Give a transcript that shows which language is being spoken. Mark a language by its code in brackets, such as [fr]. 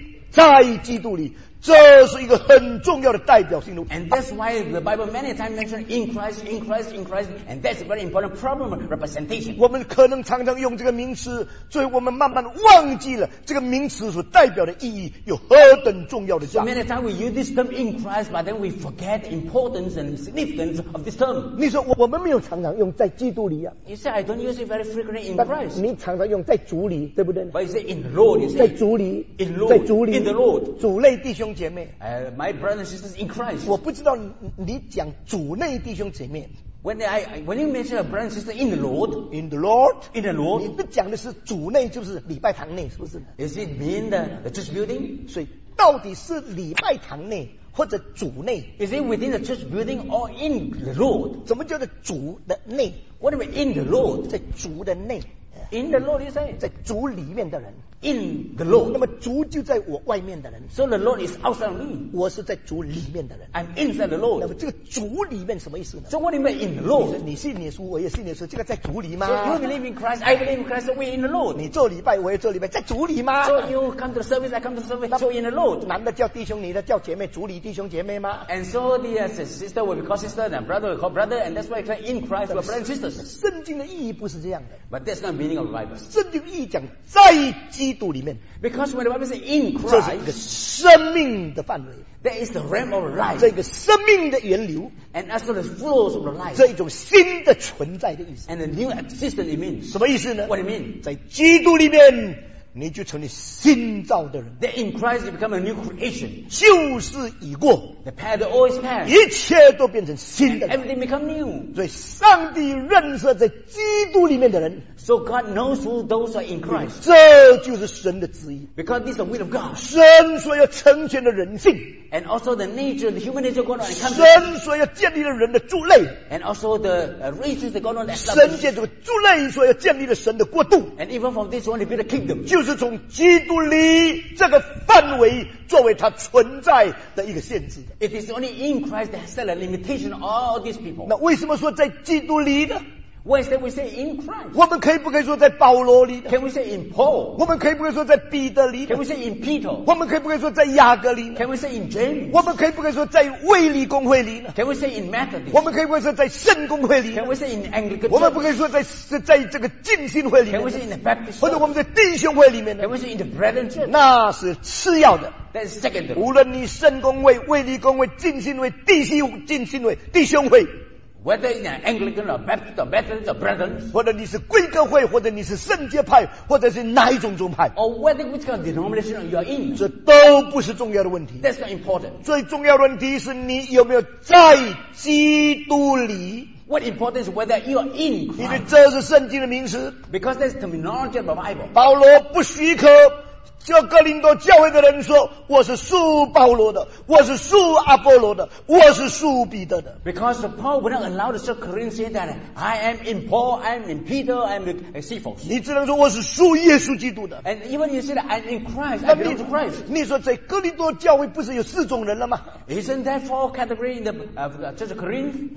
[zh] 像圣经常常提到在基督里, 这是一个很重要的代表性的, [en] and that's why the Bible many times mentions in Christ, in Christ, in Christ, and that's a very important problem of representation. [zh] 我们可能常常用这个名词, 所以我们慢慢忘记了这个名词所代表的意义有何等重要的价值。 [en] So many times we use this term in Christ, but then we forget the importance and significance of this term. [zh] 你说我们没有常常用在基督里啊, [en] you say I don't use it very frequently in Christ. [zh] 你常常用在主里, 对不对? [en] But you say in the Lord, you say [zh] 在主里, [en] in Lord, [zh] 在主里, [en] in the Lord, [zh] 主内弟兄, [en] My brothers and sisters in Christ. [zh] 我不知道你讲主内弟兄姐妹, [en] when you mention a brother and sister in the Lord, in the Lord, in the Lord, [zh] 你不讲的是主内就是礼拜堂内, 是不是? [en] Is it mean the church building? [zh] 所以到底是礼拜堂内, 或者主内, [en] is it within the church building or in the Lord? [zh] 怎么叫做主的内? [en] What do we mean in the Lord? [zh] 在主的内, [en] In the Lord, you say. [zh] 在主里面的人。 [en] In the Lord. [zh] 那么主就在我外面的人。 [en] So the Lord is outside of me. [zh] 我是在主里面的人。 [en] I'm inside the Lord. [zh] 那么这个主里面什么意思呢？ [en] So what do you mean in the Lord? [zh] 你信耶稣，我也信耶稣，这个在主里吗？ [en] So you believe in Christ, I believe in Christ, we're in the Lord. [zh] 你做礼拜，我也做礼拜，在主里吗？ [en] So you come to the service, I come to the service, so in the Lord. [zh] 男的叫弟兄，女的叫姐妹，主里弟兄姐妹吗？ [en] And so the sister will be called sister, and brother will be called brother, and that's why we're in Christ, we're brothers and sisters. [zh] 圣经的意义不是这样的。 [en] But that's not the meaning of the Bible. [zh] 圣经意义讲在基督里面。 [en] Because when the Bible says in Christ, [zh] 这是一个生命的范围。 [en] That is the realm of life. [zh] 这个生命的源流。 [en] And as for the flows of the life. [zh] 这一种新的存在的意思。 [en] And the new existence it means. [zh] 什么意思呢？ [en] What it means? [zh] 在基督里面你就成为新造的人。 [en] That in Christ you become a new creation. [zh] 旧事已过。 [en] The past always passed. [zh] 一切都变成新的人。 [en] And everything become new. [zh] 所以上帝认识在基督里面的人。 [en] So God knows who those are in Christ. [zh] 这就是神的旨意。 [en] Because this is the will of God. [zh] 神所要成全的人性。 [en] And also the nature, the human nature of God. [zh] 神所要建立的人的柱类。 [en] And also the reasons that God wants to establish. [zh] 神借着柱类所要建立的神的国度。 [en] And even from this one, he built a kingdom. [zh] 就是从基督里这个范围作为他存在的一个限制的。 [en] It is only in Christ that set a limitation on all these people. [zh] 那为什么说在基督里呢？ [en] Why is that we say in Christ? [zh] 我们可以不可以说在保罗里？ [en] Can we say in Paul? [zh] 我们可以不可以说在彼得里？ [en] Can we say in Peter? [zh] 我们可以不可以说在雅各里？ [en] Can we say in James? [zh] 我们可以不可以说在卫理公会里？ [en] Can we say in Methodist? [zh] 我们可以不可以说在圣公会里？ [en] Can we say in Anglican? [zh] 我们不可以说在这个浸信会里？ [en] Can we say in the Baptist? [zh] 或者我们在弟兄会里面？ [en] Can we say in the brethren church? [zh] 那是次要的。 [en] That is secondary. [zh] 无论你圣公会、卫理公会、浸信会、弟兄会。 [en] Whether in an Anglican or Baptist or Methodist or Brethren, [zh] 或者你是归格会，或者你是圣洁派，或者是哪一种宗派 [en] ，or whether which kind of denomination you are in, [zh] 这都不是重要的问题。 [en] That's not important. [zh] 最重要的问题是你有没有在基督里。 [en] What important is whether you are in Christ? [zh] 因为这是圣经的名词。 [en] Because that's terminology of the Bible. [zh] 保罗不许可。叫哥林多教会的人说我是属保罗的，我是属阿波罗的，我是属彼得的。 [en] Because Paul would not allow the Corinthians that I am in Paul, I am in Peter, I am in Cephas. [zh] 你只能说我是属耶稣基督的。 [en] And even you say that I'm in Christ, I belong to Christ. [zh] 你说在哥林多教会不是有四种人了吗？ [en] Isn't that four categories in the church of Corinth?